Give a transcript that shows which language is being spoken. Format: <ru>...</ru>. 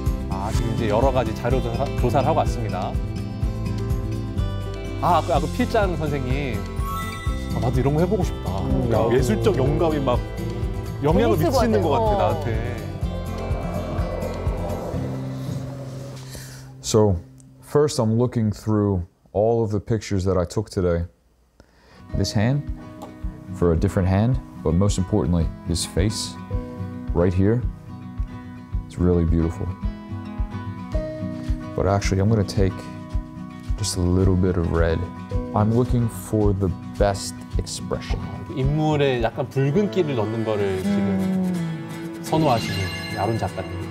<ko>아, 지금 이제 여러 가지 자료 조사를 하고 왔습니다. 아, 그 필장 선생님. 아, 나도 이런 거 해보고 싶다. 야, 예술적 영감이 막 영향을 미치는 것 같아, 나한테.</ko> <en>So, first I'm looking through all of the pictures that I took today. This hand, for a different hand, but most importantly, his face, right here. It's really beautiful. But actually, I'm going to take just a little bit of red. I'm looking for the best expression.</en> <ko>인물에 약간 붉은기를 넣는 거를 지금 선호하시는 아론 작가님.</ko>